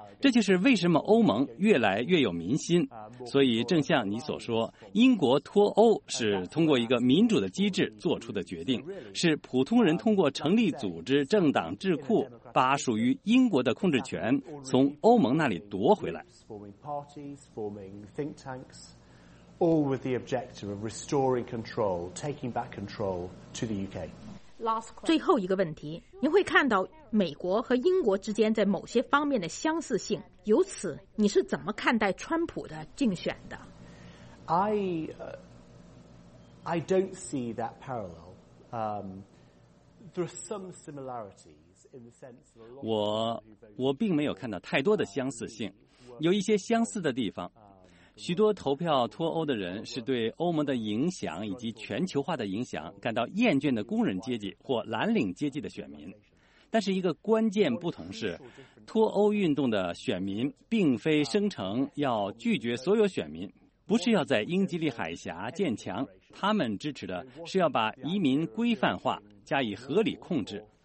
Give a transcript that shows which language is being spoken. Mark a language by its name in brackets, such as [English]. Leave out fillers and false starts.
[Chinese] 这就是为什么欧盟越来越有民心。所以正像你所说，英国脱欧是通过一个民主的机制做出的决定，是普通人通过成立组织、政党、智库，把属于英国的控制权从欧盟那里夺回来。 [English] Forming parties, forming think tanks, all with the objective of restoring control, taking back control to the UK. [Chinese] 最后一个问题，您会看到美国和英国之间在某些方面的相似性，由此你是怎么看待川普的竞选的？ [English] I don't see that parallel. There are some similarities in the sense of a lot. [Chinese] 我并没有看到太多的相似性。有一些相似的地方，许多投票脱欧的人是对欧盟的影响以及全球化的影响感到厌倦的工人阶级或蓝领阶级的选民。但是一个关键不同是，脱欧运动的选民并非声称要拒绝所有选民，不是要在英吉利海峡建墙，他们支持的是要把移民规范化，加以合理控制。